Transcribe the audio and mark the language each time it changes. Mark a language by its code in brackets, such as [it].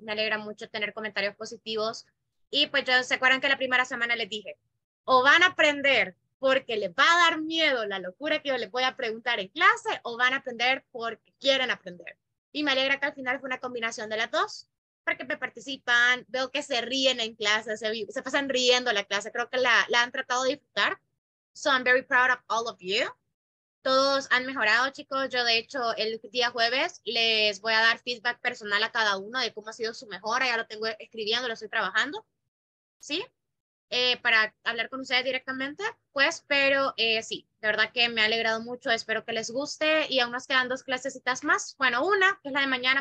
[es] Me alegra mucho tener comentarios positivos. Y pues ya se acuerdan que la primera semana les dije, o van a aprender porque les va a dar miedo la locura que yo les voy a preguntar en clase, o van a aprender porque quieren aprender. Y me alegra que al final fue una combinación de las dos, porque me participan, veo que se ríen en clase, se pasan riendo la clase, creo que la han tratado de disfrutar. [en] So I'm very proud of all of you. [es] Todos han mejorado, chicos. Yo, de hecho, el día jueves les voy a dar feedback personal a cada uno de cómo ha sido su mejora. Ya lo tengo escribiendo, lo estoy trabajando, ¿sí? Para hablar con ustedes directamente, pues, pero sí, de verdad que me ha alegrado mucho. Espero que les guste y aún nos quedan dos clasecitas más. Bueno, una, que es la de mañana.